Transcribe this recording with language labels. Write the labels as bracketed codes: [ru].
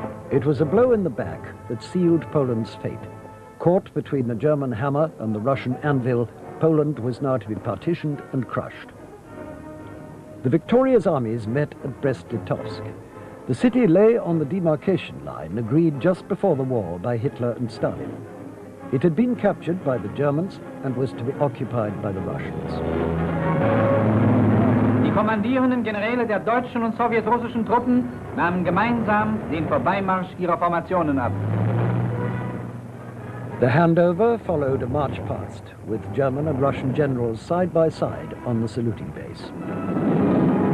[en] It was a blow in the back that sealed Poland's fate. Caught between the German hammer and the Russian anvil, Poland was now to be partitioned and crushed. The victorious armies met at Brest-Litovsk. The city lay on the demarcation line agreed just before the war by Hitler and Stalin. It had been captured by the Germans and was to be occupied by the Russians. [de] Die kommandierenden Generäle der deutschen und sowjetrussischen Truppen nahmen gemeinsam den Vorbeimarsch ihrer Formationen ab. [en] The handover followed a march past, with German and Russian generals side by side on the saluting base.